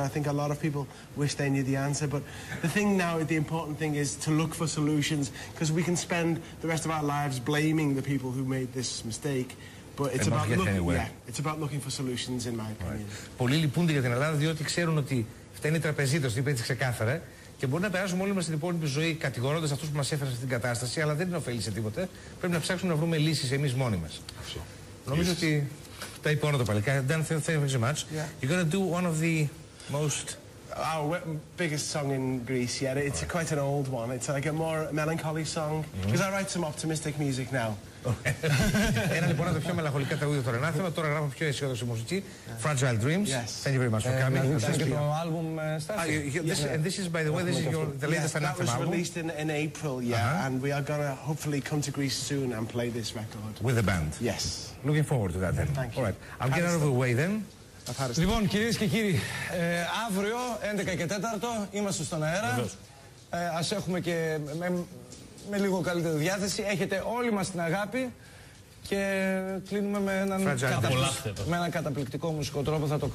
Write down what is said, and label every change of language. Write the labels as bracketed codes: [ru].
[en] I think a lot of people wish they knew the answer, but the thing now, the important thing is to look for solutions, because we can spend the rest of our lives blaming the people who made this mistake, but it's about looking for solutions, in my opinion. [el] Πολλοί λυπούνται για την Ελλάδα διότι ξέρουν ότι φταίνει η τραπεζίτα, το είπε έτσι ξεκάθαρα. Και μπορεί να περάσουμε όλη μας την υπόλοιπη ζωή κατηγορώντας αυτούς που μας έφεραν σε αυτήν την κατάσταση, αλλά δεν την ωφέλησε τίποτε. Πρέπει να ψάξουμε να βρούμε λύσεις εμείς μόνοι μας. Νομίζω ότι τα είπε όλα τα παλικάρια. [en] Dan, thank you very much. Yeah. You're going to do one of the most... Our biggest song in Greece yet. It's quite an old one. It's like a more melancholy song. Because I write some optimistic music now. [el] Ένα λοιπόν από τα πιο μελαγχολικά τραγούδια των Ανάθεμα, τώρα γράφω πιο αισιόδοξη μουσική. [en] Fragile Dreams. Yes. Thank you very much for coming. [el] Ευχαριστώ για το album, Stathis. [en] And this is, by the way, this is the latest Anathema album. It was released in April, and we are going to hopefully come to Greece soon and play this record. With the band. Yes. Looking forward to that then. Thank you. All right. I'll get out of the way then. [el] Λοιπόν, κυρίες και κύριοι, αύριο 11 και 4 είμαστε στον αέρα. Ας έχουμε και με λίγο καλύτερη διάθεση. Έχετε όλη μας την αγάπη και κλείνουμε με έναν ένα καταπληκτικό μουσικό τρόπο.